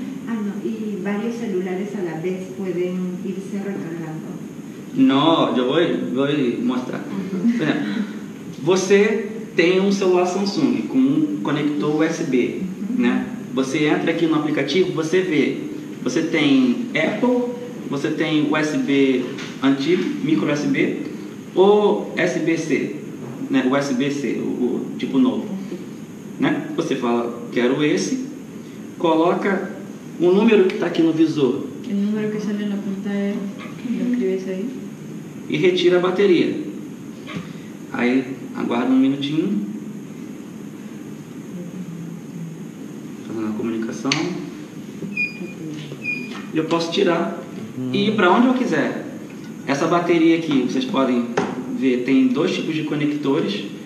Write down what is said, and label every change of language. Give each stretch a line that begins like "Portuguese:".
Spanish: Ah, no, y varios celulares a la vez pueden irse recargando. No, yo voy a mostrar.
Portuguese: Bueno, você tem um celular Samsung com um conector USB, né? Você entra aqui no aplicativo, você vê, você tem Apple, você tem USB antigo, micro USB, ou USB-C, né? USB-C, o tipo novo. Né? Você fala, quero esse, coloca o número que está aqui no visor
Spanish: El número que sale en la pantalla, lo escribes ahí.
Portuguese: e retira a bateria. Aí, aguarda um minutinho. Fazendo a comunicação. Eu posso tirar e ir para onde eu quiser. Essa bateria aqui, vocês podem ver, tem dois tipos de conectores.